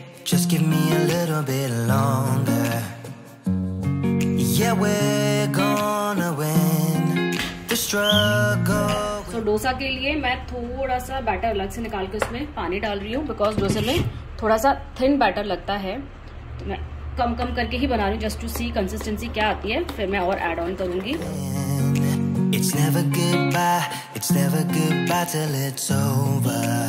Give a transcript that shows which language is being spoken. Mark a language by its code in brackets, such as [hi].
[en] Just give me a little bit longer. Yeah, we're gonna win the struggle. [hi] So, dosa के लिए मैं थोड़ा सा बैटर अलग से निकाल के उसमें पानी डाल रही हूँ, बिकॉज डोसे में थोड़ा सा थिन बैटर लगता है तो मैं कम कम करके ही बना रही हूँ [en] just to see [hi] कंसिस्टेंसी क्या आती है, फिर मैं और एड ऑन करूंगी। [en] It's never goodbye, it's never goodbye till it's over.